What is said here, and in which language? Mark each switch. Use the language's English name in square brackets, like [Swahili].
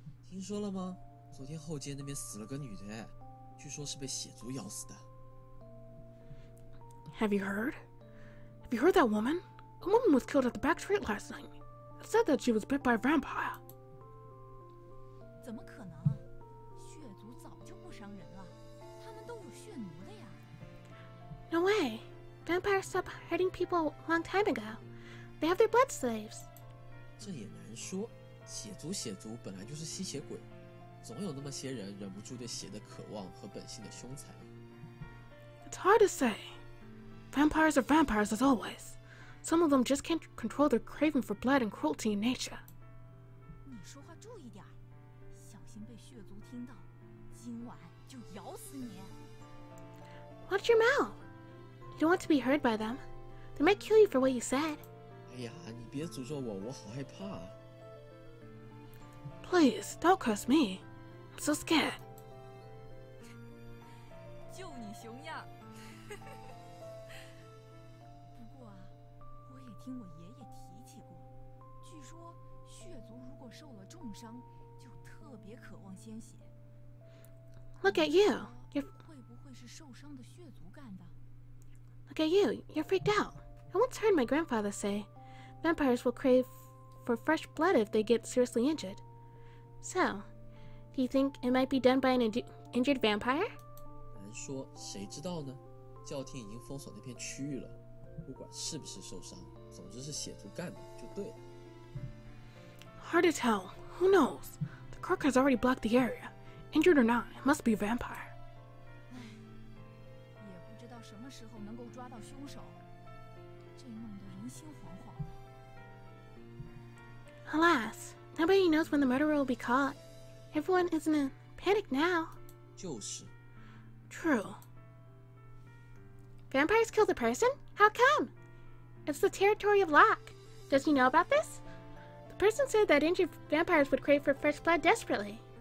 [English] Did you hear about it? Last night, there was a girl in the back. She said she was eaten by a dog. Have you heard? Have you heard that woman? A woman was killed at the back street last night. It said that she was bit by a vampire. [Chinese] 怎么可能？血族早就不伤人了，他们都是血奴的呀。 [English] No way. Vampires stopped hurting people a long time ago. They have their blood slaves. [Chinese] 这也难说。血族本来就是吸血鬼，总有那么些人忍不住对血的渴望和本性的凶残。 [English] It's hard to say. Vampires are vampires as always. Some of them just can't control their craving for blood and cruelty in nature. [Chinese] 你说话注意点，小心被血族听到，今晚就咬死你。 [English] Watch your mouth. You don't want to be heard by them. They might kill you for what you said. [Chinese] 哎呀，你别诅咒我，我好害怕。 [English] Please, don't curse me. I'm so scared. [Chinese] 就你熊样。听我爷爷提起过，据说血族如果受了重伤，就特别渴望鲜血。 [English] Look at you, you're [Chinese] 会不会是受伤的血族干的 [English] ？Look at you, you're freaked out. I once heard my grandfather say, vampires will crave for fresh blood if they get seriously injured. So, do you think it might be done by an injured vampire? [Chinese] 难说，谁知道呢？教廷已经封锁那片区域了。不管是不是受伤，总之是血族干的就对了。 [English] Hard to tell. Who knows? The crook has already blocked the area. Injured or not, it must be a vampire. [Chinese] 唉，也不知道什么时候能够抓到凶手，这弄得人心惶惶的。 [English] Alas, nobody knows when the murderer will be caught. Everyone is in a panic now. [Chinese] 就是。 [English] True. Vampires kill the person? How come? It's the territory of Locke. Does he know about this? The person said that injured vampires would crave for fresh blood desperately.